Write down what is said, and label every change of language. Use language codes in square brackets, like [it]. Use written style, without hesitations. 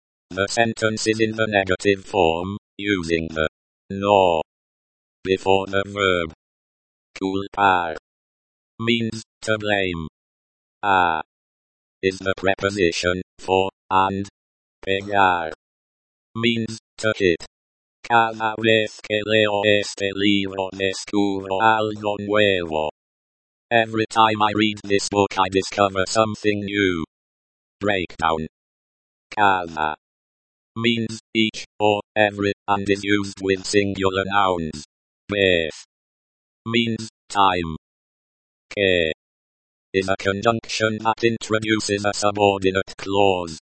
[en] The sentence is in the negative form, using the no before the verb. Culpar means to blame. A is the preposition for and pegar means to hit. [es] Cada vez que leo este libro descubro algo nuevo. [en] Every time I read this book I discover something new. Breakdown. Cada means each or every and is used with singular nouns. Vez means time. Que is a conjunction that introduces a subordinate clause.